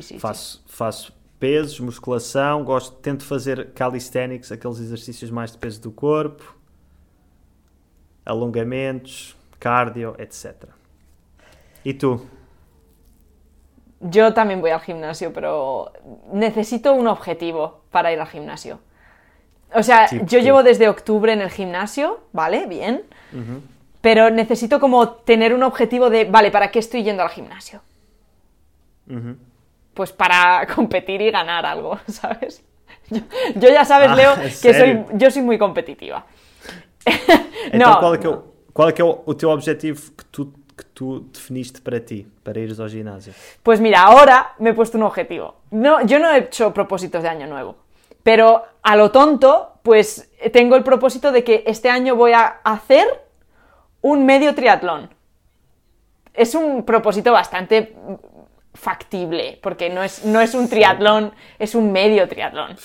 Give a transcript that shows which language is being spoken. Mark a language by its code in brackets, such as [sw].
[pt] Faço pesos, musculação, tento fazer calisthenics, aqueles exercícios mais de peso do corpo, alongamentos, cardio, etc. E tu? Eu também vou ao gimnasio, mas necessito um objetivo para ir ao gimnasio. [es] Ou seja, eu llevo desde octubre no gimnasio, vale, bem, pero necesito como tener un objetivo de, vale, ¿para qué estoy yendo al gimnasio? Uh-huh. Pues para competir y ganar algo, ¿sabes? Yo ya sabes, Leo, que yo soy muy competitiva. [pt] Então, no, qual é que é o teu objetivo que tu definiste para ti, para ires ao ginásio? [es] Pues mira, ahora me he puesto un objetivo. No, yo no he hecho propósitos de año nuevo, pero a lo tonto, pues tengo el propósito de que este año voy a hacer un medio triatlón. Es un propósito bastante factible, porque no es un triatlón, es un medio triatlón.